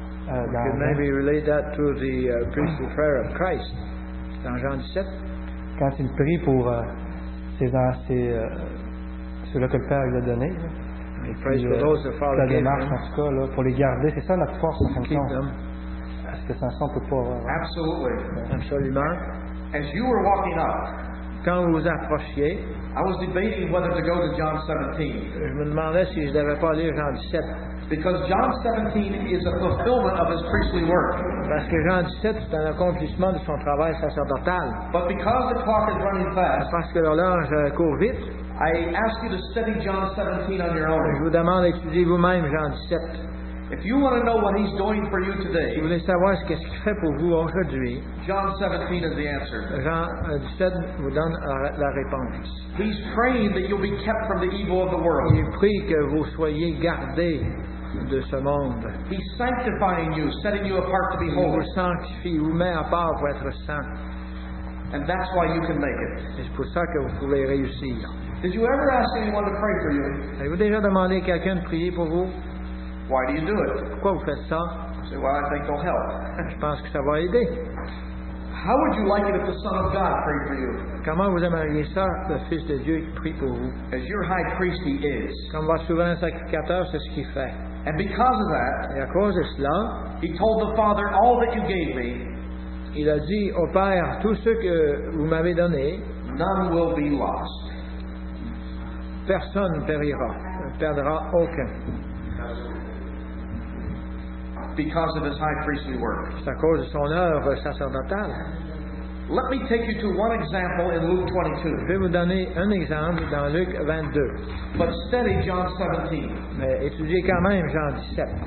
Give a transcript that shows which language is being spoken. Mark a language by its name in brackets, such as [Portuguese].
[English] You could maybe relate that to the priestly prayer of Christ. [French] Dans Jean 17. Quand il prie pour ceux-là que le Père lui a donné. He prays for those that follow him. La démarche, en tout cas, là, pour les garder. C'est ça notre force, en fait. Est-ce que sans ça, on ne peut pas avoir. [English] Absolutely. [French] Absolument. [English] As you were walking up, [French] quand vous approchiez, [English] I was debating whether to go to John 17. [French] Je me demandais si je devais pas lire Jean 17. [English] Because John 17 is a fulfillment of his priestly work. [French] Parce que Jean 17 c'est un accomplissement de son travail sacerdotal. [English] But because the clock is running fast, [French] parce que l'horloge court vite, [English] I ask you to study John 17 on your own. [French] Je vous demande d'étudier vous-même Jean 17. [English] If you want to know what he's doing for you today, [French] si vous voulez savoir ce qu'il fait pour vous aujourd'hui, [English] John 17 is the answer. [French] Jean 17 vous donne la réponse. [English] He's praying that you'll be kept from the evil of the world. [French] Il prie que vous soyez gardés de ce monde. [English] He's sanctifying you, setting you apart to be holy. [French] Il vous sanctifie, vous met à part pour être saint. [English] And that's why you can make it. [French] Et c'est pour ça que vous pouvez réussir. [English] Did you ever ask anyone to pray for you? [French] Avez-vous déjà demandé à quelqu'un de prier pour vous? [English] Why do you do it? [French] Pourquoi vous faites ça? [English] Say, well, I think it'll help. [French] Je pense que ça va aider. [English] How would you like it if the Son of God prayed for you? [French] Comment vous aimeriez ça, le Fils de Dieu prie pour vous? [English] As your high priest, he is. [French] Comme votre souverain sacrificateur, c'est ce qu'il fait. [English] And because of that, [French] et à cause de cela, [English] he told the Father all that you gave me. [French] Il a dit au Père tout ce que vous m'avez donné. [English] None will be lost. [French] Personne périra, ne perdra aucun. [English] Because of his high priestly work. [French] C'est à cause de son œuvre sacerdotale. [English] Let me take you to one example in Luke 22. [French] Je vais vous donner un exemple dans Luc 22. [English] But study John 17. [French] Mais étudiez quand même Jean 17.